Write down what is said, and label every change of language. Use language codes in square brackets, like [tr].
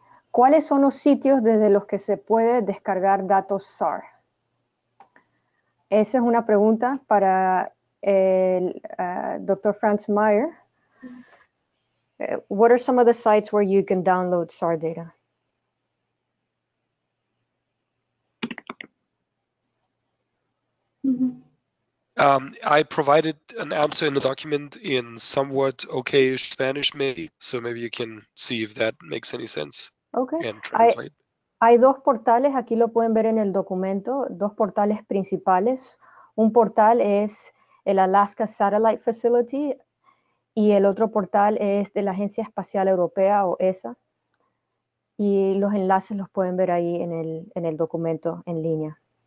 [es] ¿Cuáles son los sitios desde los que se puede descargar datos SAR? Esa es una pregunta para el Dr. Franz Meyer. [en] What are some of the sites where you can download SAR data? I provided an answer in the document in somewhat okay Spanish, maybe. So maybe you can see if that makes any sense. Okay. And translate. [es] Hay dos portales, aquí lo pueden ver en el documento, dos portales principales. Un portal es el Alaska Satellite Facility y el otro portal es de la Agencia Espacial Europea o ESA. Y los enlaces los pueden ver ahí en el documento en línea.